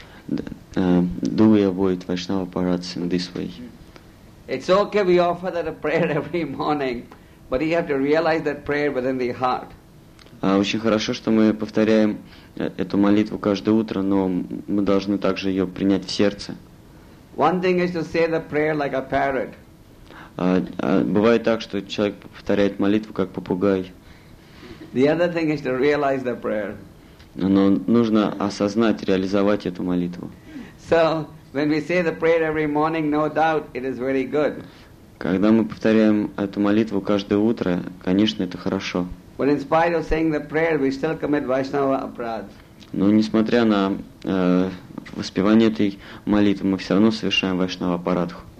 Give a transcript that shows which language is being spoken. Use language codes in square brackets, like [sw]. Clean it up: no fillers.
[en] Do we avoid Vaishnava parats in this way? It's okay, we offer that a prayer every morning, but you have to realize that prayer within the heart. [ru] Очень хорошо, что мы повторяем эту молитву каждое утро, но мы должны также ее принять в сердце. [en] One thing is to say the prayer like a parrot. [ru] Бывает так, что человек повторяет молитву как попугай. [en] The other thing is to realize the prayer. [ru] Но нужно осознать, реализовать эту молитву. [en] So, when we say the prayer every morning, no doubt, it is very good. [ru] Когда мы повторяем эту молитву каждое утро, конечно, это хорошо. [en] But in spite of saying the prayer, we still commit Vaishnava aparad. [ru] Но несмотря на воспевание этой молитвы, мы все равно совершаем вайшнава парадху.